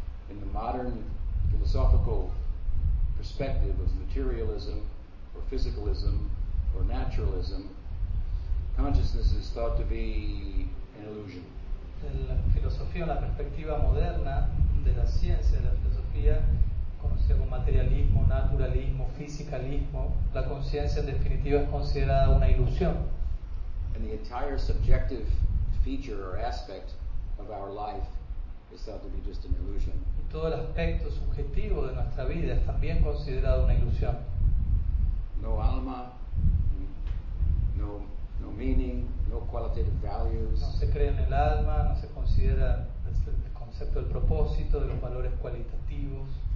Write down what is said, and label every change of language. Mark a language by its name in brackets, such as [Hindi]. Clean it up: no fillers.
[English] In the modern philosophical perspective of materialism or physicalism or naturalism, consciousness is thought to be an illusion. [Spanish] En la filosofía, la perspectiva moderna de la ciencia, de la filosofía, conocida como materialismo, naturalismo, fisicalismo, la conciencia en definitiva es considerada una ilusión. [English] And the entire subjective feature or aspect of our life is thought to be just an illusion. [Spanish] Y todo el aspecto subjetivo de nuestra vida es también considerado una ilusión. [English] No alma, no meaning. No qualitative values. [Spanish] No se cree en el alma, no se considera el concepto del propósito, de los valores cualitativos.